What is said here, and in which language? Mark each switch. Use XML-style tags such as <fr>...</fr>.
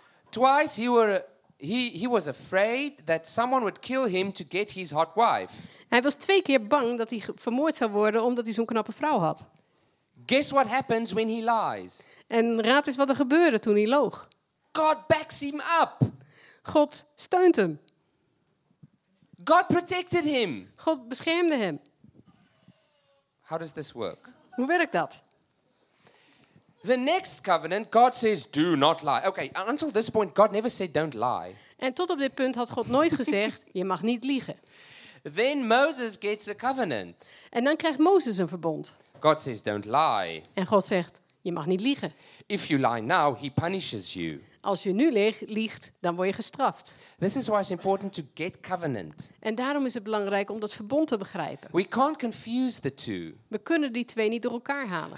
<en>Twice he was afraid that someone would kill him to get his hot wife.</en> <nl>Hij was twee keer bang dat hij vermoord zou worden omdat hij zo'n knappe vrouw had.</nl> <en>Guess what happens when he lies?</en> <nl>En raad eens wat er gebeurde toen hij loog.</nl> <en>God backs him up.</en> <nl>God steunt hem.</nl> <en>God protected him.</en> <nl>God beschermde hem.</nl> <en>How does this work?</en> <nl>Hoe werkt dat?</nl> <en>The next covenant, God says, do not lie. Okay, until this point, God never said, don't lie.</en> <nl>En tot op dit punt had God nooit gezegd, je mag niet liegen.</nl> <en>Then Moses gets a covenant.</en> <nl>En dan krijgt Mozes een verbond.</nl> <en>God says, don't lie.</en> <nl>En God zegt, je mag niet liegen.</nl> <en>If you lie now, he punishes you.</en> <nl>Als je nu liegt, dan word je gestraft.</nl> <en>This is why it's important to get covenant.</en> <nl>En daarom is het belangrijk om dat verbond te begrijpen.</nl> <en>We can't confuse the two.</en> <nl>We kunnen die twee niet door elkaar halen.</nl>